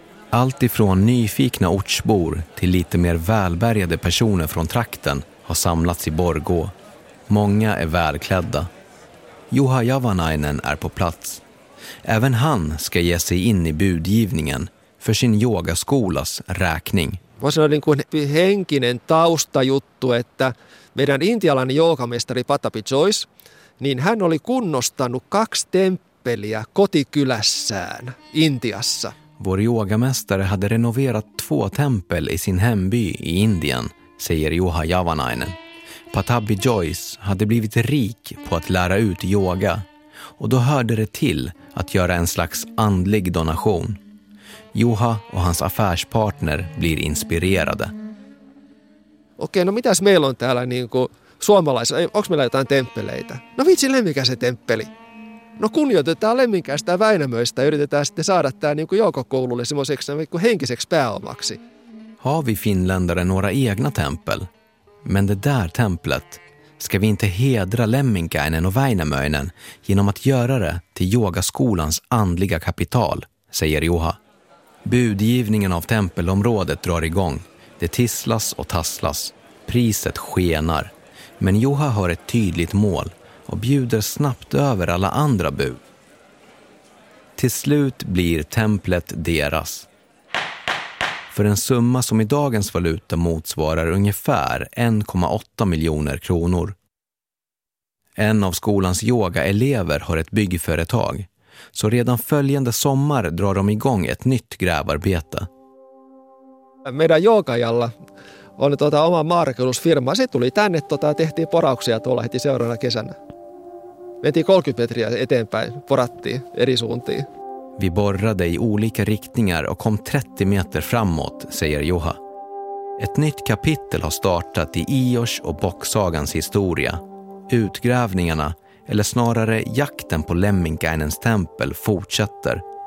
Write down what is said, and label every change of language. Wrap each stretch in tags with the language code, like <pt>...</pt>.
<sv>Allt ifrån nyfikna ortsbor till lite mer välbärgade personer från trakten har samlats i Borgå. Många är välklädda. Juha Javanainen är på plats. Även han ska ge sig in i budgivningen för sin yogaskolas räkning.</sv> <fi>Vad sanoin niin kuin henkinen taustajuttu, että meidän intialainen joogamestari Patapi Joyce, niin hän oli kunnostanut 2 temppeliä kotikylässään Intiassa.</fi> <sv>Vår yogamästare hade renoverat 2 tempel i sin hemby i Indien, säger Juha Javanainen. Patapi Joyce hade blivit rik på att lära ut yoga och då hörde det till att göra en slags andlig donation. Juha och hans affärspartner blir inspirerade.</sv> <fi>Okej, no mitäs meillä on täällä niinku suomalaisilla? Onks meillä jotain temppeleitä? No vitsi, Lemminkäisen temppeli. No kunnioitetaan Lemminkäistä ja Väinämöistä ja yritetään sitten saada tää niinku joukokoululle semmoiseksi henkiseksi pääomaksi.</fi> <sv>Har vi finländare några egna tempel? Men det där templet, ska vi inte hedra Lemminkäinen och Väinämöinen genom att göra det till yogaskolans andliga kapital, säger Juha. Budgivningen av tempelområdet drar igång. Det tisslas och tasslas. Priset skenar. Men Juha har ett tydligt mål och bjuder snabbt över alla andra bud. Till slut blir templet deras. För en summa som i dagens valuta motsvarar ungefär 1,8 miljoner kronor. En av skolans yogaelever har ett byggföretag. Så redan följande sommar drar de igång ett nytt grävarbete.</sv> <fi>Meidän joogajalla on oma maarakennusfirma. Se tuli tänne, tehtiin porauksia tuolla heti seuraavana kesänä. Mentiin 30 metriä eteenpäin, porattiin eri suuntiin.</fi> <sv>Vi borrade i olika riktningar och kom 30 meter framåt, säger Juha. Ett nytt kapitel har startat i Ios och Bocksagans historia. Utgrävningarna, eller snarare jakten på Lemminkäinens tempel, fortsätter.</sv>